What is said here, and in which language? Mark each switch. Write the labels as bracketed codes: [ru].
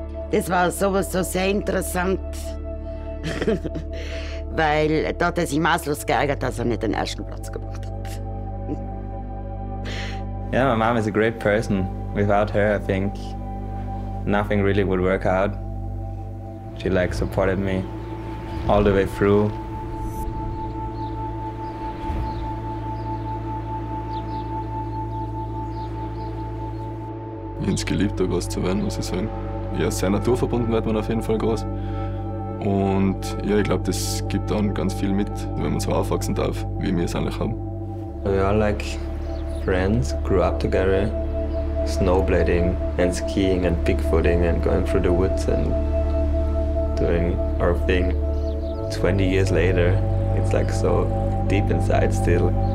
[de] Das war sowieso sehr interessant, weil da hat er sich maßlos geärgert, dass er nicht den ersten Platz gemacht hat. [en] Yeah, my mom is a great person. Without her, I think nothing really would work out. She like supported me all the way through. [de] Ich hätte es geliebt, da groß zu werden, muss ich sagen. Ja, sehr naturverbunden wird man auf jeden Fall groß. Und ja, ich glaube, das gibt dann ganz viel mit, wenn man so aufwachsen darf, wie wir es eigentlich haben. [en] We are like friends, grew up together, snowblading and skiing and bigfooting and going through the woods and doing our thing 20 years later. It's like so deep inside still.